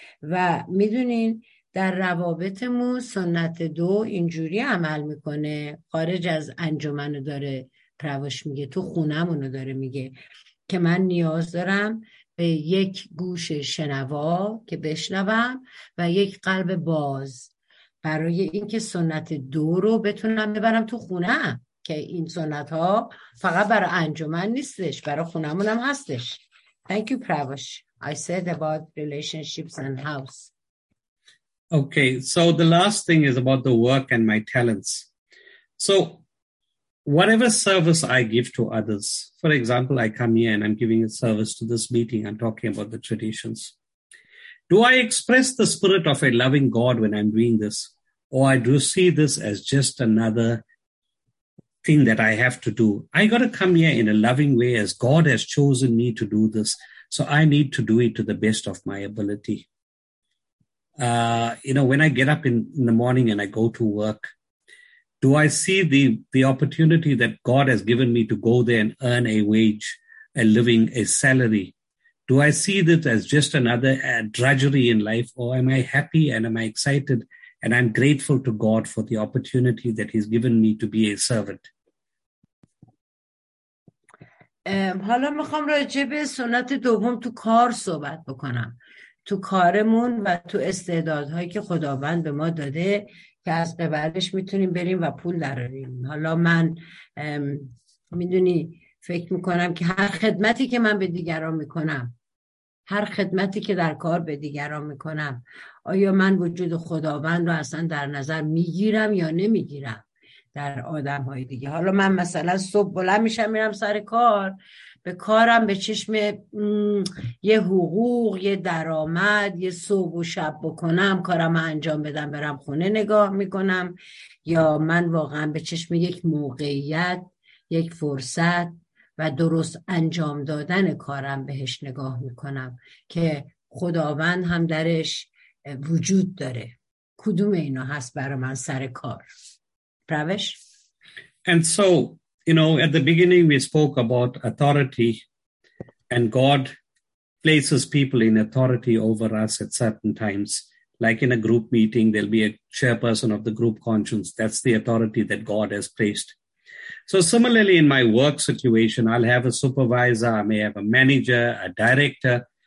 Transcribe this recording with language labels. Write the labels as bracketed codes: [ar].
[fa] و میدونین در روابطمون سنت دو اینجوری عمل میکنه، خارج از انجمنو داره پروش میگه، تو خونمونو داره میگه، که من نیاز دارم به یک گوش شنوا که بشنوم و یک قلب باز برای اینکه سنت دو رو بتونم ببرم تو خونه، که این سنت ها فقط برای انجمن نیستش، برای خونمون هم هستش. [en] Thank you Pravash. I said about relationships and house. Okay, so the last thing is about the work and my talents. So whatever service I give to others, for example, I come here and I'm giving a service to this meeting, I'm talking about the traditions. Do I express the spirit of a loving God when I'm doing this? Or I do see this as just another thing that I have to do? I got to come here in a loving way as God has chosen me to do this. So I need to do it to the best of my ability. You know, when I get up in the morning and I go to work, do I see the opportunity that God has given me to go there and earn a wage, a living, a salary? Do I see that as just another drudgery in life, or am I happy and am I excited and I'm grateful to God for the opportunity that he's given me to be a servant? [fa] حالا میخوام راجع به سنت دوم تو کار صحبت بکنم، تو کارمون و تو استعدادهایی که خداوند به ما داده که از قبلش میتونیم بریم و پول دراریم. حالا من میدونی فکر میکنم که هر خدمتی که من به دیگران میکنم، هر خدمتی که در کار به دیگران میکنم، آیا من وجود خداوند رو اصلا در نظر میگیرم یا نمیگیرم در آدمهای دیگه؟ حالا من مثلا صبح بلند میشم میرم سر کار، به کارم به چشم یه حقوق، یه درآمد، یه صبح و شب بکنم، کارم انجام بدم برم خونه نگاه میکنم، یا من واقعا به چشم یک موقعیت، یک فرصت و درست انجام دادن کارم بهش نگاه میکنم که خداوند هم درش وجود داره؟ کدوم اینا هست برای من سر کار؟ پروش؟ [en] And so, you know, at the beginning we spoke about authority and God places people in authority over us at certain times. Like in a group meeting, there'll be a chairperson of the group conscience. That's the authority that God has placed. So similarly, in my work situation, I'll have a supervisor, I may have a manager, a director.